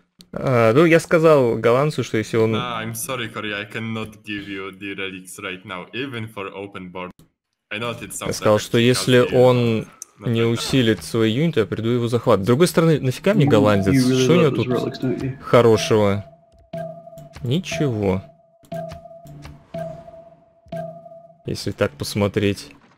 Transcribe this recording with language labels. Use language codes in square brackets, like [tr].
[ru] Ну, я сказал голландцу, что если он... [en] I'm sorry, Corey, I cannot give you the relics right now, even for open board. [ru] Я сказал, что если он не усилит свои юниты, я приду его захват. С другой стороны, нафига мне голландец? Что у него тут хорошего? Ничего. Если так посмотреть.